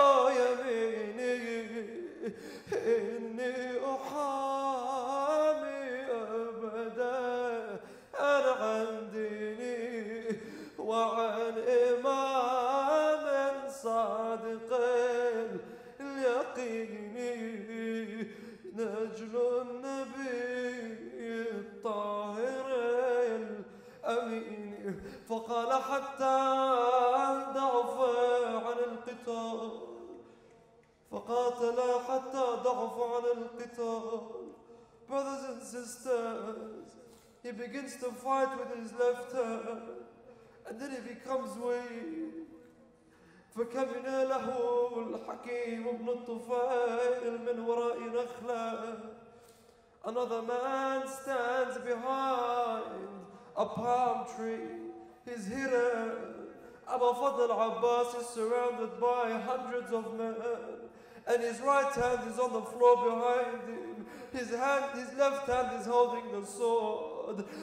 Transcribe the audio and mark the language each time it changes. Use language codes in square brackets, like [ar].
[ar] يميني إني أحامي أبدا أنا عن ديني وعن إمام صادق اليقيني نجل النبي الطاهر الأمين. فقال حتى ضعف عن القتال فقاتل حتى ضعف عن القتال. [en] Brothers and sisters, he begins to fight with his left hand and then he becomes weak. [ar] فكمن له الحكيم ابن الطفيل من وراء نخلة. [en] Another man stands behind a palm tree. He's hidden. Abu Fadl al-Abbas is surrounded by hundreds of men. And his right hand is on the floor behind him. His left hand is holding the sword.